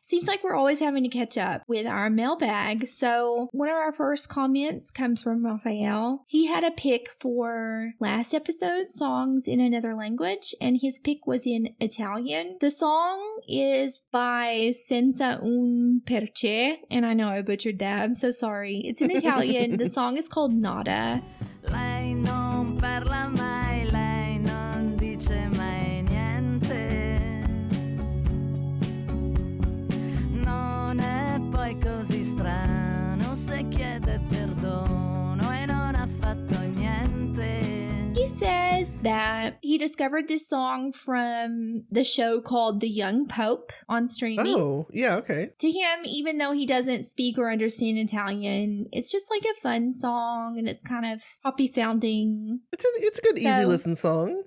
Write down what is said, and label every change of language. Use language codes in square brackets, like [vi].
[en] Seems like we're always having to catch up with our mailbag. So one of our first comments comes from Raphael. He had a pick for last episode, songs in another language, and his pick was in Italian. The song is by Senza Un Perché, and I know I butchered that. I'm so sorry. It's in Italian. The song is called Nada. [it] Lei non parla mai, lei non dice mai niente. Non è poi così strano se chiede perdono e non ha fatto niente. [en] He says that he discovered this song from the show called The Young Pope on streaming. Oh, yeah, okay. To him, even though he doesn't speak or understand Italian, it's just like a fun song and it's kind of poppy sounding. It's a good easy listen song.